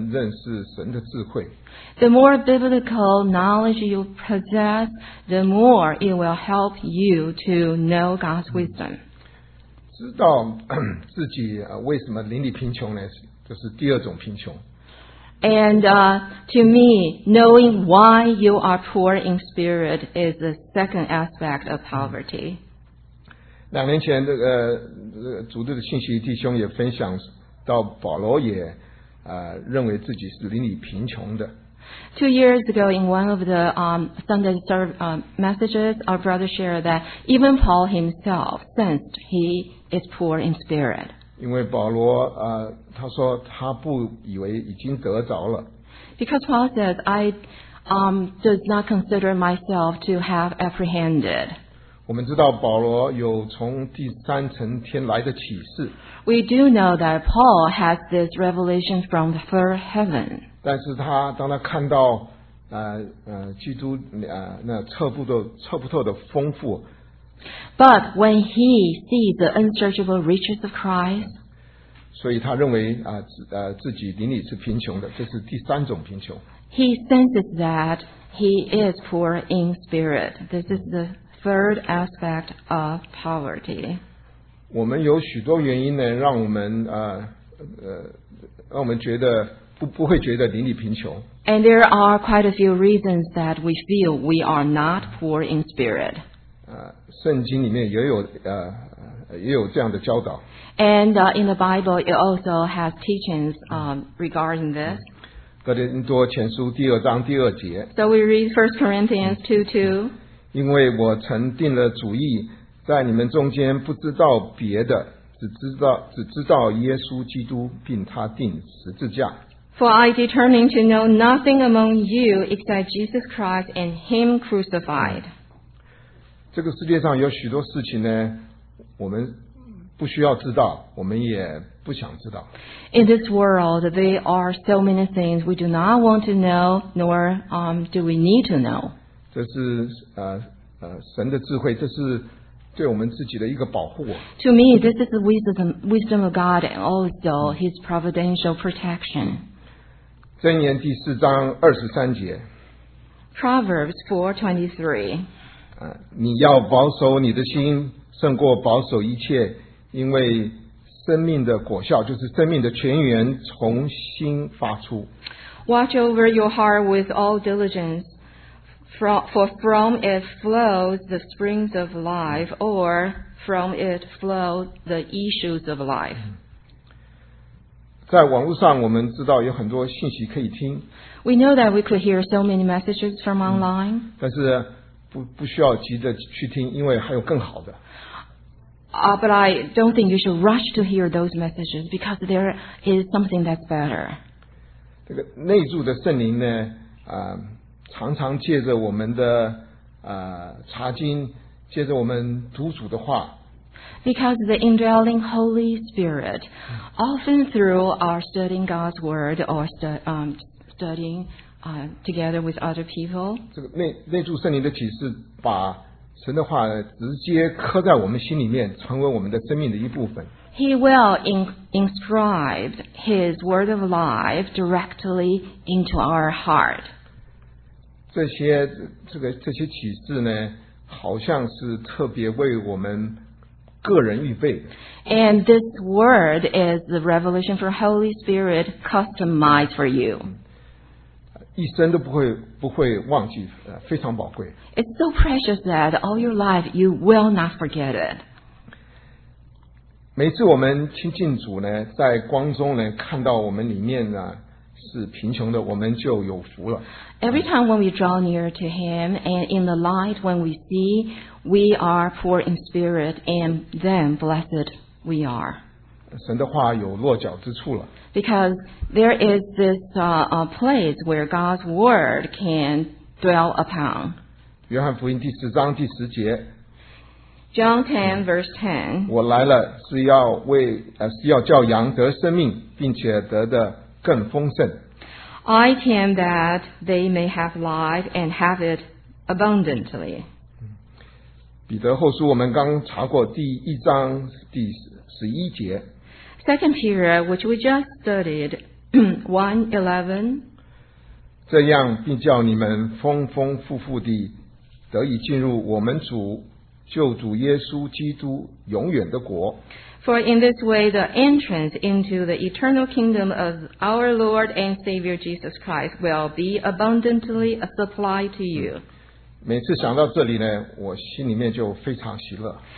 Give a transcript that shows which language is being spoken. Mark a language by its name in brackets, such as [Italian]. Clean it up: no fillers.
[Chinese] 圣经的知识越多呢，越能帮助我们认识神的智慧。 [English] The more biblical knowledge you possess, the more it will help you to know God's wisdom. [Chinese] 知道自己为什么邻里贫穷呢，就是第二种贫穷。 [English] And to me, knowing why you are poor in spirit is the second aspect of poverty. [Chinese] 两年前，组队的信息弟兄也分享到保罗也认为自己是邻里贫穷的。 [English] Two years ago, in one of the Sunday service messages, our brother shared that even Paul himself sensed he is poor in spirit. [Chinese] 因为保罗他说他不以为已经得着了。 [English] Because Paul says, I does not consider myself to have apprehended. [Chinese] 我们知道保罗有从第三层天来的启示。 [English] We do know that Paul has this revelation from the third heaven. [Chinese] 但是他当他看到基督那测不透的丰富。 [English] But when he sees the unsearchable riches of Christ, [Chinese] 所以他认为自己灵里是贫穷的，这是第三种贫穷。 [English] He senses that he is poor in spirit. This is the third aspect of poverty. [Chinese] 我们有许多原因呢，让我们觉得不会觉得灵里贫穷。 [English] And there are quite a few reasons that we feel we are not poor in spirit. [Chinese] 圣经里面也有这样的教导。 [English] And in the Bible, it also has teachings regarding this. [Chinese] 哥林多前书第二章第二节。 [English] So we read 1 Corinthians 2:2. [Chinese] 因为我曾定了主意，在你们中间不知道别的，只知道耶稣基督，并他钉十字架。 [English] For I determined to know nothing among you except Jesus Christ and Him crucified. [Chinese] 这个世界上有许多事情呢，我们不需要知道，我们也不想知道。 [English] In this world, there are so many things we do not want to know, nor do we need to know. [Chinese] 这是神的智慧，这是对我们自己的一个保护。 [English] To me, this is the wisdom of God and also His providential protection. [Chinese] 箴言第四章二十三节。 [English] Proverbs 4:23. [Chinese] 你要保守你的心，胜过保守一切，因为生命的果效，就是生命的泉源，从心发出。 [English] Watch over your heart with all diligence, for from it flows the springs of life, or from it flow the issues of life. [Chinese] 在网络上，我们知道有很多信息可以听。 [English] We know that we could hear so many messages from online. [Chinese] 但是不需要急着去听，因为还有更好的。 [English] But I don't think you should rush to hear those messages because there is something that's better. [Chinese] 这个内住的圣灵呢，常常借着我们的查经，借着我们读主的话。 [English] Because the indwelling Holy Spirit, often through our studying God's word or studying together with other people. [Chinese] 这个内住圣灵的启示把神的话直接刻在我们心里面，成为我们的生命的一部分。 [English] He will inscribe His word of life directly into our heart. [Chinese] 这些启示呢，好像是特别为我们个人预备的。 [English] And this word is the revelation for Holy Spirit customized for you. [Chinese] 一生都不会忘记，非常宝贵。 [English] It's so precious that all your life you will not forget it. [Chinese] 每次我们亲近主呢，在光中呢，看到我们里面呢是贫穷的，我们就有福了。 [English] Every time when we draw near to Him and in the light, when we see we are poor in spirit, and then blessed we are. [Chinese] 神的话有落脚之处了。 [English] Because there is this place where God's word can dwell upon. [Chinese] 约翰福音第十章第十节。 [English] John 10 verse 10. [Chinese] 我来了是要叫羊得生命，并且得的更丰盛。 [English] I came that they may have life and have it abundantly. [Chinese] 彼得后书我们刚查过第一章第十一节。 [English] Second Peter, which we just studied, 1:11. [Chinese] 这样并叫你们丰丰富富地得以进入我们主救主耶稣基督永远的国。 [English] For in this way the entrance into the eternal kingdom of our Lord and Savior Jesus Christ will be abundantly supplied to you. [Chinese] 每次想到这里呢，我心里面就非常喜乐。